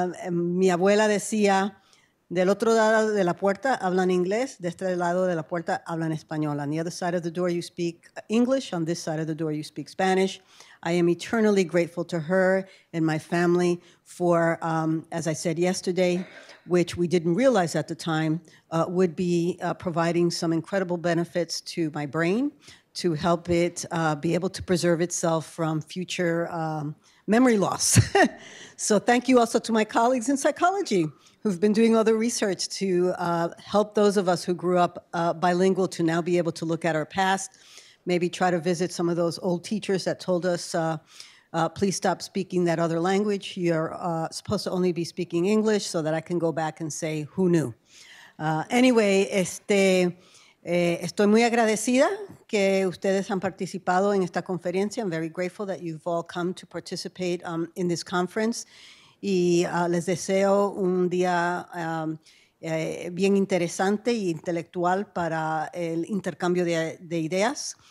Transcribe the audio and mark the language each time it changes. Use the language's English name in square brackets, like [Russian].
[Spanish] mi abuela decía, del otro lado de la puerta hablan inglés, de este lado de la puerta hablan español. [English] On the other side of the door you speak English, on this side of the door you speak Spanish. I am eternally grateful to her and my family for, as I said yesterday, which we didn't realize at the time, would be providing some incredible benefits to my brain to help it be able to preserve itself from future memory loss. So thank you also to my colleagues in psychology who've been doing all the research to help those of us who grew up bilingual to now be able to look at our past, maybe try to visit some of those old teachers that told us, please stop speaking that other language. You're supposed to only be speaking English, so that I can go back and say, who knew? Anyway, [Spanish] estoy muy agradecida que ustedes han participado en esta conferencia. [English] I'm very grateful that you've all come to participate in this conference. [Spanish] Y les deseo un día bien interesante y intelectual para el intercambio de ideas.